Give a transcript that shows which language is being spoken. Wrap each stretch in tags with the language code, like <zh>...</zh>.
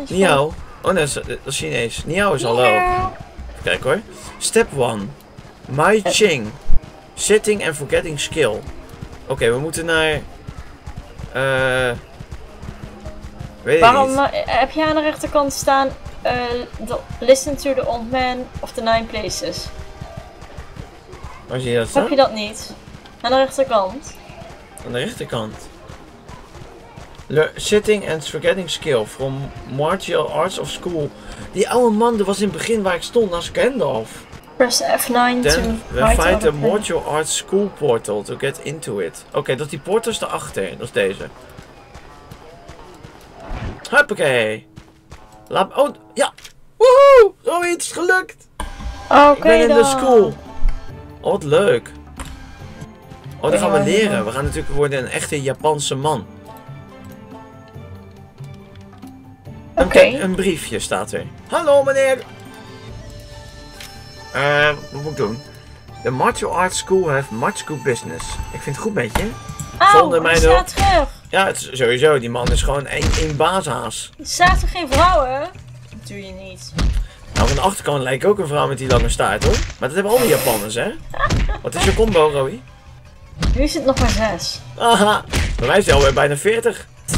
<nl>Niao. Oh nee, dat is Chinees. Niao is hallo. Kijk hoor. Step 1. Mai Ching.</nl> <en>Sitting and forgetting skill.</en> <nl>Oké, we moeten naar... weet waarom ik niet. Heb je aan de rechterkant staan...</nl> <en>listen to the old man of the nine places.</en> <nl>Waar zie je dat staan? Heb je dat niet? Aan de rechterkant. Aan de rechterkant?</nl> <en>Sitting and forgetting skill from martial arts of school.</en> <nl>Die oude man, dat was in het begin waar ik stond als Gandalf.</nl> <en>Press F9 to fight the martial arts school portal to get into it.</en> <nl>Oké, dat die portal is erachter. Dat is deze. Hoppakee. Oh, ja. Woehoe. Oh, het is gelukt. Oké, ik ben in de school. Oh, wat leuk. Oh, dan gaan we leren. We gaan natuurlijk worden een echte Japanse man. Oké. Een briefje staat er. Hallo, meneer. Wat moet ik doen?</nl> <en>The martial arts school have much good business.</en> <nl>Ik vind het goed met je. Oh, hij staat terug. Ja, het is sowieso. Die man is gewoon één baashaas. Staat er geen vrouwen? Dat doe je niet. Nou, van de achterkant lijkt ook een vrouw met die lange staart, hoor. Maar dat hebben al die Japanners, hè? Wat is je combo, Roy? Nu is het nog maar 6. Aha, bij mij is hij alweer bijna 40.</nl>